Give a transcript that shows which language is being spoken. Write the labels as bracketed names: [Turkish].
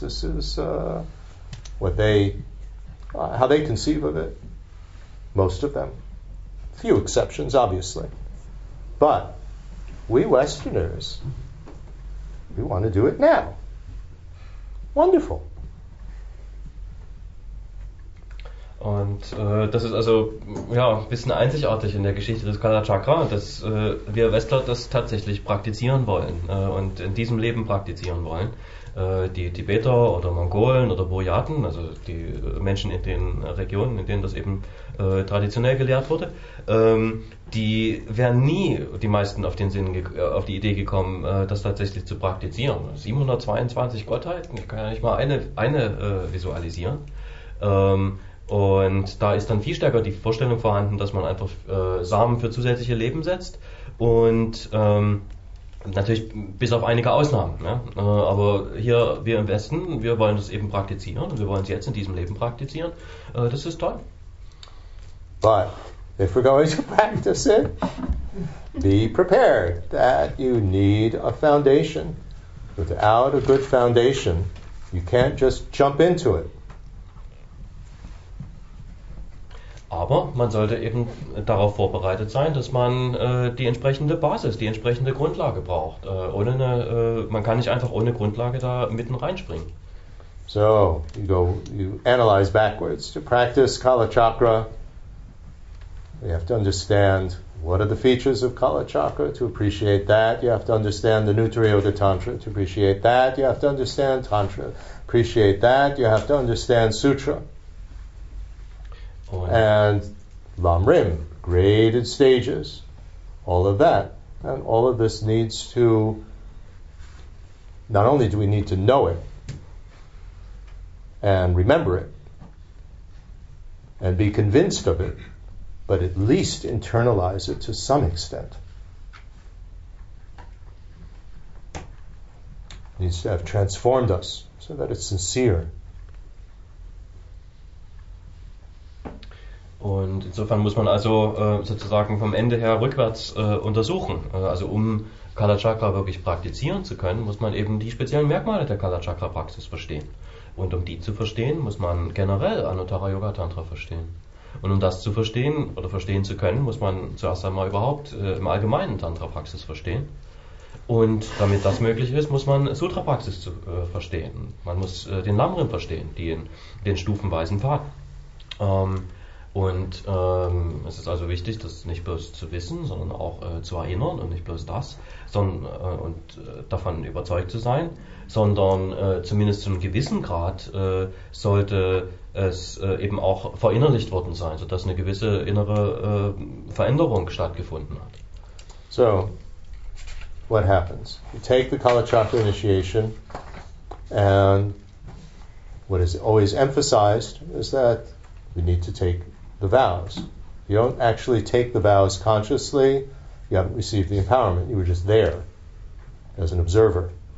[English] This is how they conceive of it, most of them. Few exceptions, obviously. But we Westerners, we want to do it now. Wonderful. [German] Und das ist also ja ein bisschen einzigartig in der Geschichte des Kalachakra, dass wir Westler das tatsächlich praktizieren wollen und in diesem Leben praktizieren wollen. Die Tibeter oder Mongolen oder Buryaten, also die Menschen in den Regionen, in denen das eben traditionell gelehrt wurde, die wären nie, die meisten, auf die Idee gekommen, das tatsächlich zu praktizieren. 722 Gottheiten, ich kann ja nicht mal eine visualisieren. Und da ist dann viel stärker die Vorstellung vorhanden, dass man einfach Samen für zusätzliche Leben setzt und Natürlich bis auf einige Ausnahmen. Ne? Aber hier, wir im Westen, wir wollen das eben praktizieren und wir wollen es jetzt in diesem Leben praktizieren. Das ist toll. [English] But if we're going to practice it, be prepared that you need a foundation. Without a good foundation, you can't just jump into it. [German] Aber man sollte eben darauf vorbereitet sein, dass man die entsprechende Basis, die entsprechende Grundlage braucht. Man kann nicht einfach ohne Grundlage da mitten reinspringen. [English] So, you analyze backwards. To practice Kalachakra, you have to understand what are the features of Kalachakra. To appreciate that, you have to understand the nutriyo of the Tantra. To appreciate that, you have to understand Tantra. Appreciate that, you have to understand Sutra. And Lam Rim, graded stages, all of that. And all of this needs to, not only do we need to know it and remember it and be convinced of it, but at least internalize it to some extent. It needs to have transformed us so that it's sincere. [German] Und insofern muss man also sozusagen vom Ende her rückwärts untersuchen. Also um Kalachakra wirklich praktizieren zu können, muss man eben die speziellen Merkmale der Kalachakra-Praxis verstehen. Und um die zu verstehen, muss man generell Anuttara Yoga Tantra verstehen. Und um das zu verstehen oder verstehen zu können, muss man zuerst einmal überhaupt im Allgemeinen Tantra-Praxis verstehen. Und damit das möglich ist, muss man Sutra-Praxis verstehen. Man muss den Lamrim verstehen, den stufenweisen Pfad. Es ist also wichtig, das nicht bloß zu wissen, sondern auch zu erinnern und nicht bloß das, sondern und davon überzeugt zu sein, sondern zumindest zu einem gewissen Grad sollte es eben auch verinnerlicht worden sein, sodass eine gewisse innere Veränderung stattgefunden hat. [English] So, what happens? You take the Kalachakra initiation and what is always emphasized is that we need to take the vows. You don't actually take the vows consciously, you haven't received the empowerment, you were just there as an observer.